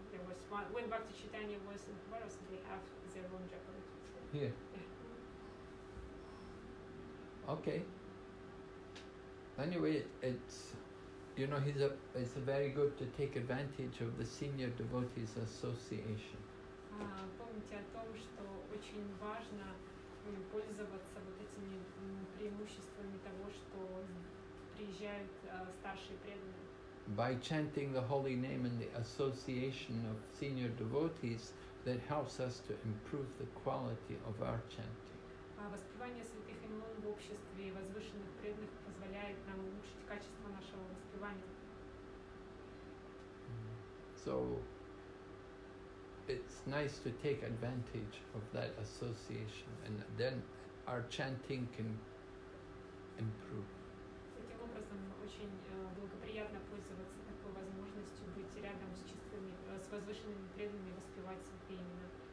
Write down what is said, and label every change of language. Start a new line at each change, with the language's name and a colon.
English: There was one when Bhakti Chaitanya was in Varas, they have their own japa retreats. Here. Okay. Anyway, it's, you know, he's a, it's a very good to take advantage of the Senior Devotees Association.
Russian: Помните о том, что очень важно пользоваться вот этими преимуществами того, что приезжают старшие преданные.
English: By chanting the holy name in the association of senior devotees, that helps us to improve the quality of our chanting.
Russian: Воспевание святых имен в обществе возвышенных преданных позволяет нам улучшить качество нашего воспевания.
English: So, it's nice to take advantage of that association, and then our chanting can improve.
Russian: Таким образом, очень благоприятно пользоваться такой возможностью быть рядом с чистыми, с возвышенными преданными, воспевать святые имена.